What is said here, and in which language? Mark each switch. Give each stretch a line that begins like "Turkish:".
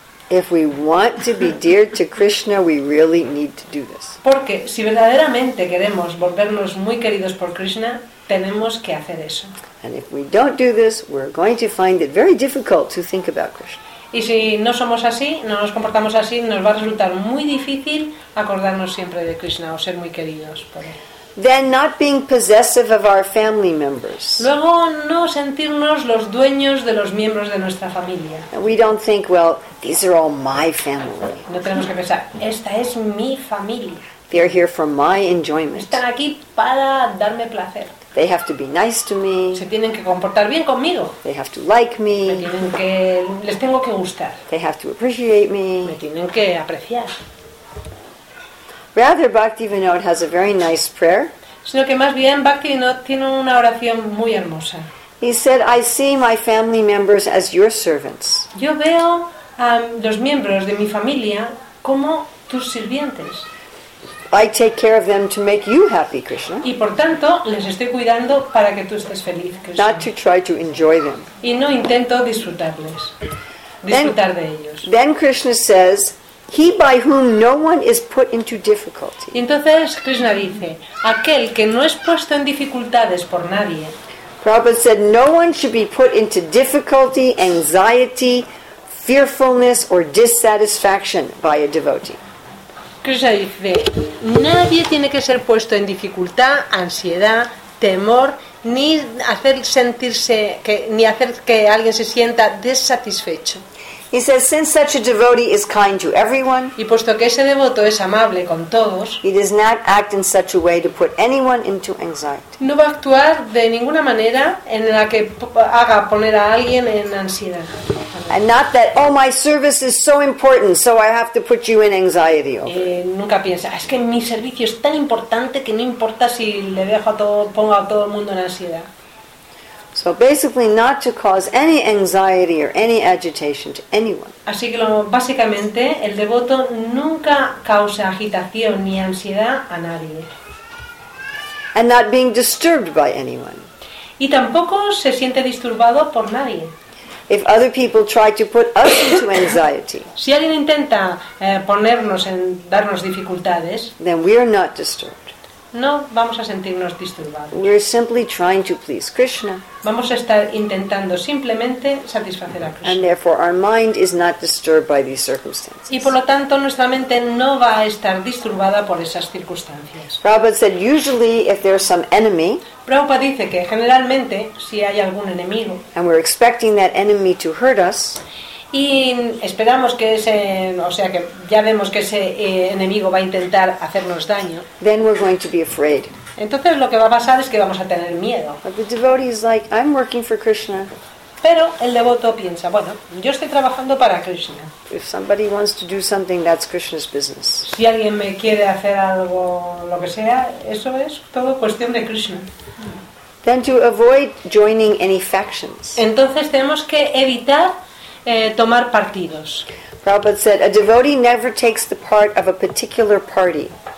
English: If we want to be dear to Krishna, we really need to do this.
Spanish: Porque si verdaderamente queremos volvernos muy queridos por Krishna, tenemos que hacer eso.
English: And if we don't do this, we're going to find it very difficult to think about Krishna.
Spanish: Y si no somos así, no nos comportamos así, nos va a resultar muy difícil acordarnos siempre de Krishna o ser muy queridos por él.
English: Then not being possessive of our family members.
Spanish: Luego no sentirnos los dueños de los miembros de nuestra familia.
English: We don't think, well, these are all my family.
Spanish: No tenemos que pensar, esta es mi familia.
English: They are here for my enjoyment.
Spanish: Están aquí para darme placer.
English: They have to be nice to me.
Spanish: Se tienen que comportar bien conmigo.
English: They have to like me.
Spanish: Les tengo que gustar.
English: They have to appreciate me.
Spanish: Me tienen que apreciar.
English: Rather, Bhaktivinoda has a very nice prayer.
Spanish: Sino que más bien Bhaktivinoda tiene una oración muy hermosa.
English: He said, "I see my family members as your servants."
Spanish: Yo veo a los miembros de mi familia como tus sirvientes.
English: I take care of them to make you happy, Krishna.
Spanish: Y por tanto les estoy cuidando para que tú estés feliz, Krishna.
English: Not to try to enjoy them.
Spanish: Y no intento disfrutarles, disfrutar de ellos.
English: Then Krishna says, he by whom no one is put into difficulty.
Spanish: Entonces Krishna dice, aquel que no es puesto en dificultades por nadie.
English: Prabhupada said, no one should be put into difficulty, anxiety, fearfulness or dissatisfaction by a devotee.
Spanish: Krishna dice, nadie tiene que ser puesto en dificultad, ansiedad, temor, ni hacer que alguien se sienta desatisfecho.
English: He says, since such a devotee is kind to everyone,
Spanish: y puesto que ese devoto es amable con todos,
English: he does not act in such a way to put anyone into anxiety.
Spanish: No va a actuar de ninguna manera en la que haga poner a alguien en ansiedad.
English: And not that, oh, my service is so important, so I have to put you in anxiety over.
Spanish: Nunca piensa, es que mi servicio es tan importante que no importa si le dejo a todo, pongo a todo el mundo en ansiedad.
English: So basically not to cause any anxiety or any agitation to anyone.
Spanish: Así que básicamente el devoto nunca causa agitación ni ansiedad a nadie.
English: And not being disturbed by anyone.
Spanish: Y tampoco se siente disturbado por nadie.
English: If other people try to put us into anxiety,
Spanish: si alguien intenta ponernos en darnos dificultades,
English: then we are not disturbed.
Spanish: No vamos a sentirnos disturbados.
English: We are simply trying to please Krishna.
Spanish: Vamos a estar intentando simplemente satisfacer a Krishna.
English: And therefore our mind is not disturbed by these circumstances.
Spanish: Y por lo tanto nuestra mente no va a estar disturbada por esas circunstancias.
English: Prabhupada said usually if there's some enemy,
Spanish: Prabhupada dice que generalmente si hay algún enemigo,
English: and we're expecting that enemy to hurt us,
Spanish: y esperamos que ese, o sea que ya vemos que ese enemigo va a intentar hacernos daño,
English: then we're going to be afraid.
Spanish: Entonces lo que va a pasar es que vamos a tener miedo.
English: But the devotee is like, I'm working for Krishna.
Spanish: Pero el devoto piensa, bueno, yo estoy trabajando para Krishna.
English: If somebody wants to do something, that's Krishna's business.
Spanish: Si alguien me quiere hacer algo, lo que sea, eso es todo cuestión de Krishna.
English: Then to avoid joining any factions.
Spanish: Entonces tenemos que evitar tomar partidos.
English: Prabhupada said, a devotee never takes the part of a particular party.